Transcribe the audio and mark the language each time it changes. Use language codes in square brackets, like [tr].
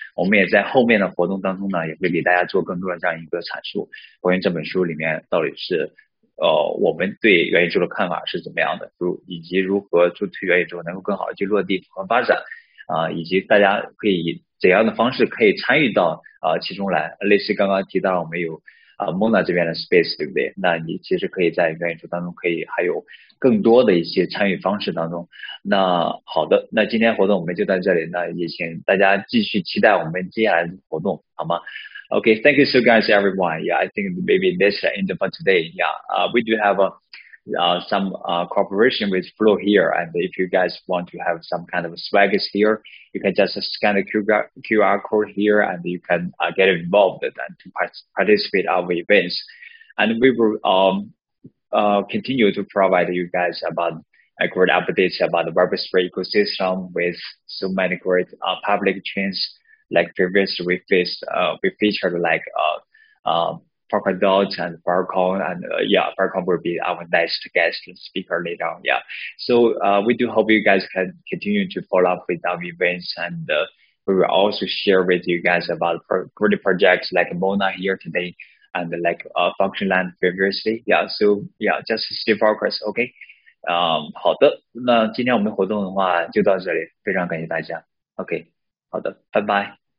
[zh] 我们也在后面的活动当中呢，也会给大家做更多的这样一个阐述，关于这本书里面到底是我们对元宇宙的看法是怎么样的，以及如何助推元宇宙能够更好的去落地和发展，以及大家可以以怎样的方式可以参与到其中来，类似刚刚提到我们有MoNA 这边的 space， 对不对？那你其实可以在元宇宙当中可以还有更多的一些参与方式当中。那好的，那今天活动我们就到这里，那也请大家继续期待我们接下来的活动，好吗？ [en] OK, thank you so guys everyone. Yeah, I think maybe that's the end for today. Yeah, we do have some cooperation with Flow here, and if you guys want to have some kind of swags here, you can just scan the QR code here and you can get involved and to participate our events. And we will continue to provide you guys about great updates about the Web3 ecosystem with so many great public chains like previously we featured like Polkadot and Farcon, and Farcon will be our next guest speaker later on. Yeah, so we do hope you guys can continue to follow up with our events, and we will also share with you guys about great projects like MoNA here today and like Functionland previously. Yeah, so yeah, just stay focused, okay? [zh] 好的，那今天我们活动的话就到这里，非常感谢大家。OK, 好的，拜拜。